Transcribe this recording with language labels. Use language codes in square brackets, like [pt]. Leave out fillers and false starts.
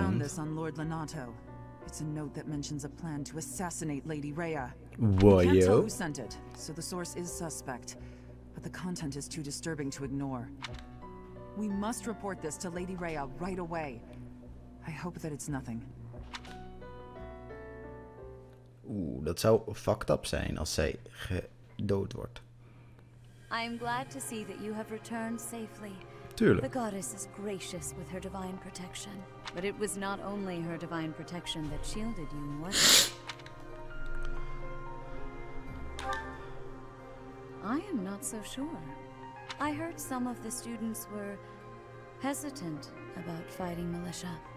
[en] I found this on Lord Lenato. It's a note that mentions a plan to assassinate Lady Rhea. What, we can't yo? Tell who sent it, so the source is suspect. But the content is too disturbing to ignore. We must report this to Lady Rhea right away. I hope that it's nothing. [nl] Oeh, dat zou fucked up zijn als zij gedood wordt. [en] I am glad to see that you have returned safely. [nl] Tuurlijk. [en] The goddess is gracious with her divine protection. But it was not only her divine protection that shielded you, was it? I am not so sure. I heard some of the students were hesitant about fighting militia.